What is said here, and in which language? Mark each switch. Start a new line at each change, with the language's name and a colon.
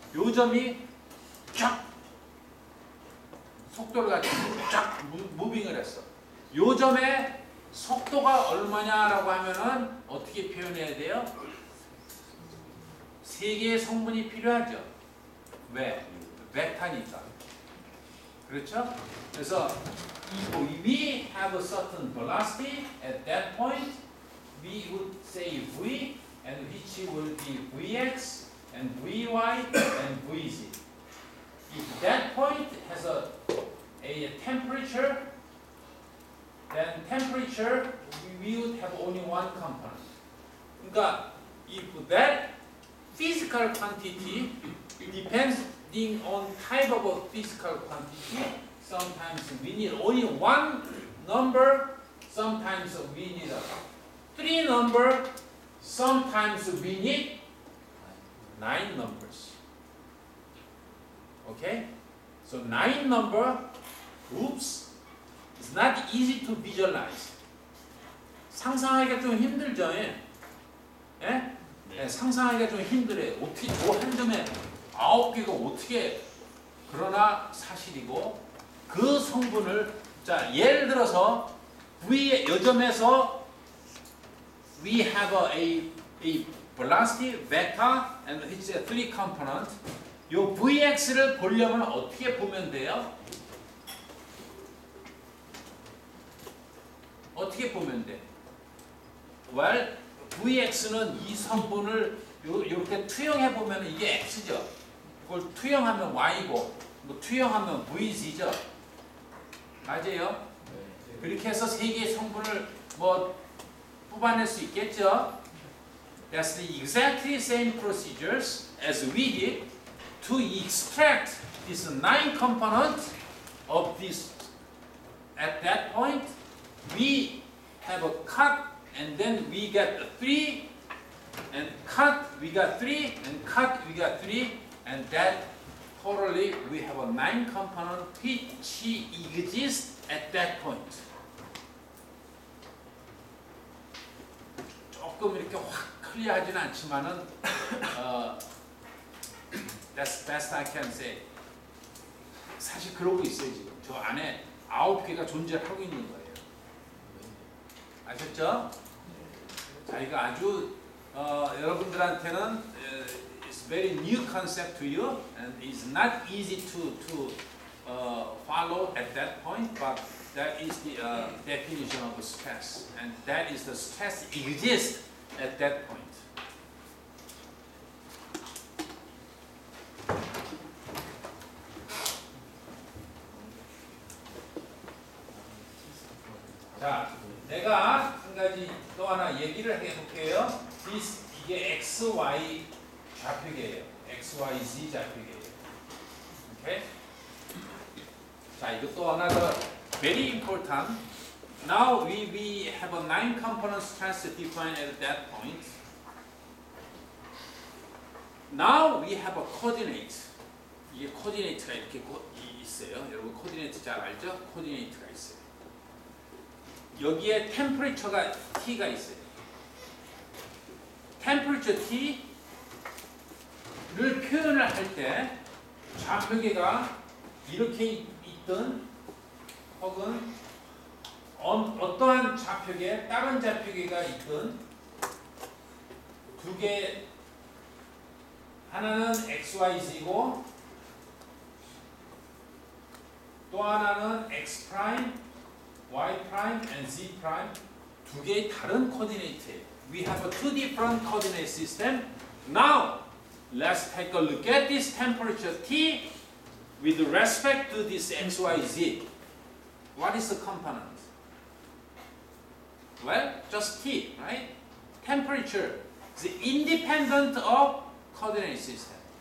Korean: 요점이 쫙 속도를 가지고 쫙 무빙을 했어. 요점의 속도가 얼마냐라고 하면은 어떻게 표현해야 돼요? 세 개의 성분이 필요하죠. 왜? 베타니까. 그렇죠? 그래서
English: we have a certain velocity at that point. We would say v and which will be vx and vy and vz. If that point has a temperature, then temperature we would have only one component.
Korean: 그러니까
English: if that physical quantity depending on type of a physical quantity, sometimes we need only one number, sometimes we need three number, sometimes we need nine numbers. Okay? So nine number, oops, it's not easy to visualize.
Korean: 상상하기가 좀 힘들죠. 예? 네, 상상하기가 좀 힘들어요. 어떻게 저 한 점에 아홉 개가 어떻게 그러나 사실이고 그 성분을 자 예를 들어서 V의 요점에서
English: we have a velocity vector and it's a three component.
Korean: 요 Vx를 보려면 어떻게 보면 돼요? 어떻게 보면 돼? Well. Vx는 이 성분을 이렇게 투영해 보면 이게 x죠. 이걸 투영하면 y고, 뭐 투영하면 vz죠. 맞아요. 그렇게 해서 세 개의 성분을 뭐 뽑아낼 수 있겠죠.
English: That's the exactly same procedures as we did to extract this nine component of this. At that point, we have a cut. And then we get three, and cut we got three, and cut we got three, and that totally we have a nine component which exists at that point.
Korean: 조금 이렇게 확 클리어하진 않지만은
English: that's best I can say.
Korean: 사실 그러고 있어요 지금. 저 안에 아홉 개가 존재하고 있는 거예요. 아셨죠? 자 이거 아주 여러분들한테는
English: it's very new concept to you and it's not easy to follow at that point but that is the definition of stress and that is the stress exists at that point.
Korean: 자 내가 가지 또 하나 얘기를 해볼게요. 이게 x, y 좌표계예요. x, y, z 좌표계예요. 오케이? 자, 이거 또 하나 더
English: very important Now we have a 9-component stress defined at that point. Now we have a coordinate.
Korean: 이 코디네이트가 이렇게 있어요. 여러분 코디네이트 잘 알죠? 코디네이트가 있어요. 여기에 템퍼레처가 T가 있어요. 템퍼레처 T를 표현을 할 때 좌표계가 이렇게 있든 혹은 어떠한 좌표계, 다른 좌표계가 있든 두 개, 하나는 XYZ이고 또 하나는 X 프라임, Y 프라임, and Z 프라임 두 개의 다른 코디네이트예요.
English: We have a two different coordinate system. Now, let's take a look at this temperature T with respect to this X, Y, Z. What is the component? Well, just T, right? Temperature is independent of coordinate system.